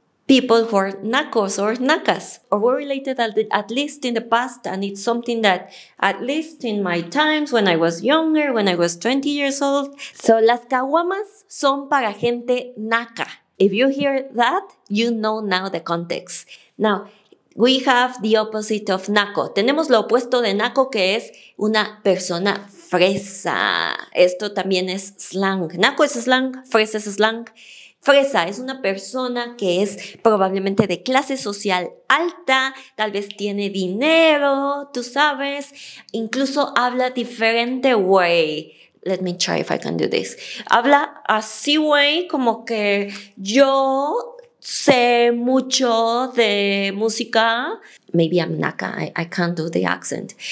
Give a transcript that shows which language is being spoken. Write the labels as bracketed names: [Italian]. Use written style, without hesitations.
[English] people who are nacos or nacas, or were related at least in the past, and it's something that at least in my times when I was younger, when I was 20 years old. [Spanish] So las caguamas son para gente naca. [English] If you hear that, you know now the context. Now, we have the opposite of naco. [Spanish] Tenemos lo opuesto de naco, que es una persona fresa. Esto también es slang. Naco es slang, fresa es slang. Fresa es una persona que es probablemente de clase social alta, tal vez tiene dinero, tú sabes, incluso habla diferente way. [English] Let me try if I can do this. [Spanish] Habla así way, como que yo sé mucho de música. [English] Maybe I'm naca, I can't do the accent.